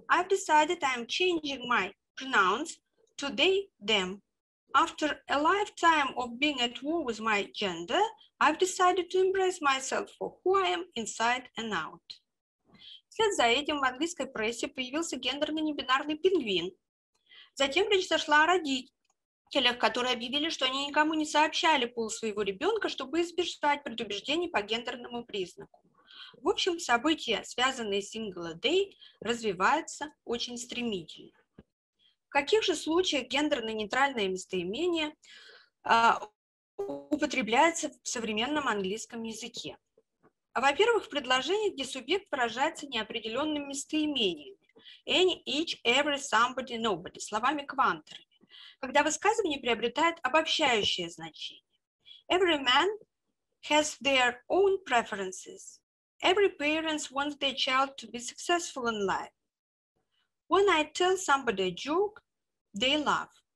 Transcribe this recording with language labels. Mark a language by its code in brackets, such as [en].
[en] I've decided I'm changing my pronouns to they, them. After a lifetime of being at war with my gender, I've decided to embrace myself for who I am inside and out. [ru] Вслед за этим в английской прессе появился гендерно-небинарный пингвин. Затем речь зашла о родителях, которые объявили, что они никому не сообщали пол своего ребенка, чтобы избежать предубеждений по гендерному признаку. В общем, события, связанные с [en] single day, [ru] развиваются очень стремительно. В каких же случаях гендерно-нейтральное местоимение употребляется в современном английском языке? Во-первых, в предложениях, где субъект выражается неопределенным местоимением [en] any, each, every, somebody, nobody, [ru] словами-квантерами, когда высказывание приобретает обобщающее значение. [en] Every man has their own preferences. Every parent wants their child to be successful in life. When I tell somebody a joke, they laugh.